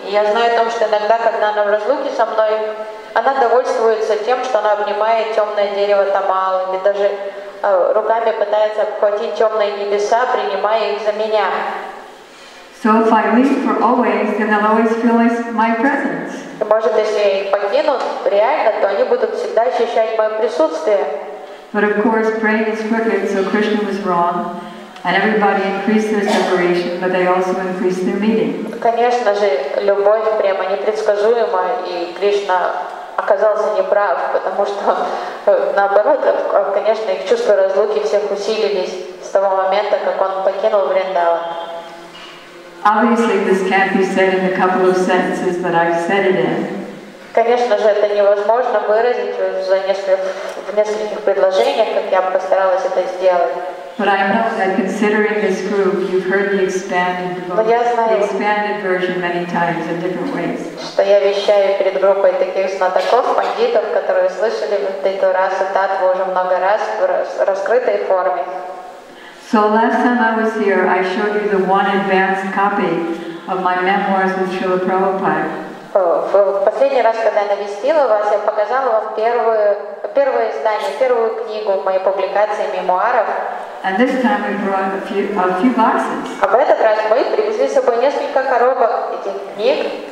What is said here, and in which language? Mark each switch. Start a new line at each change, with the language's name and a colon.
Russian: И я знаю о том, что иногда, когда она в разлуке со мной, она довольствуется тем, что она обнимает темное дерево Тамал, или даже руками пытается обхватить темные небеса, принимая их за меня.
English: So if I leave for always, then they'll always feel my presence.
Russian: Может, если я их покину реально, то они будут всегда ощущать мое присутствие.
English: But of course, praying is crooked, so Krishna was wrong, and everybody increased their separation, but they also increased their meeting.
Russian: Конечно же, любовь прямо непредсказуема, и Кришна оказался неправ, потому что наоборот, конечно, их чувства разлуки всех усилились с того момента, как он покинул Вриндаван.
English: Obviously, this can't be said in a couple of sentences that I've said it in.
Russian: Конечно же, это невозможно выразить в нескольких предложениях, как я постаралась это сделать. Что я вещаю перед группой таких знатоков, пандитов, которые слышали эту расу татву уже много раз в раскрытой форме.
English: So last time I was here, I showed you the one advanced copy of my memoirs with Srila Prabhupada.
Russian: В последний раз, когда я навестила вас, я показала вам первое издание, первую книгу моей публикации мемуаров.
English: And this time we brought a few boxes.
Russian: А в этот раз мы привезли с собой несколько коробок этих книг.